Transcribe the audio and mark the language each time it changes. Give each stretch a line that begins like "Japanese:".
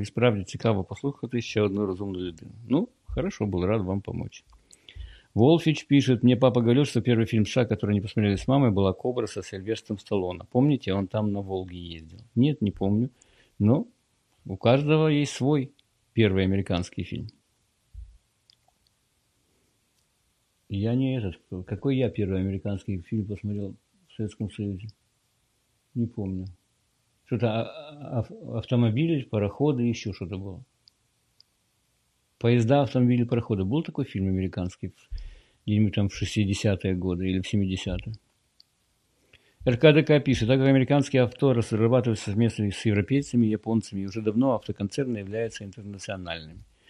Ukrainian: І справді цікаво послухати ще одну розумну людину.
Russian: Ну, хорошо, був рад вам помочь.
Ukrainian: Волфіч пише, мені папа говорив, що перший фільм США, який не посмотрели з мамою, була «Кобра» з Сильвестром Сталлоне. Помните, він там на Волгі їздив? Ні, не помню. Но у кожного є свій перший американський фільм.
Russian: Я не этот.
Ukrainian: Який я перший американський фільм посмотрел в Совєтському Союзі?
Russian: Не помню. Что-то автомобили, пароходы, еще что-то было. Поезда, автомобили, пароходы. Был такой фильм американский где-нибудь там в 60-е годы или в 70-е? РКДК пишет, так как американские авто разрабатываются совместно с европейцами, японцами, уже давно автоконцерны являются интернациональными.